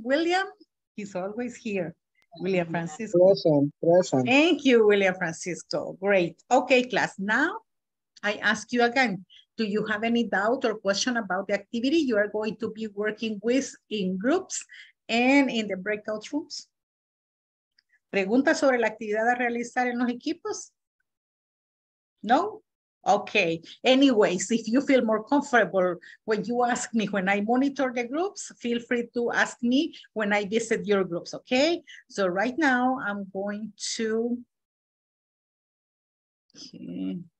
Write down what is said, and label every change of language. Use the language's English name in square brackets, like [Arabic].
[English] William, he's always here. William Francisco. Present, present. Thank you, William Francisco. Great. Okay, class. Now I ask you again, do you have any doubt or question about the activity you are going to be working with in groups and in the breakout rooms? [Spanish] ¿Preguntas sobre la actividad a realizar en los equipos? [English] No? Okay. Anyways, if you feel more comfortable when you ask me when I monitor the groups, feel free to ask me when I visit your groups, okay? So right now I'm going to, okay.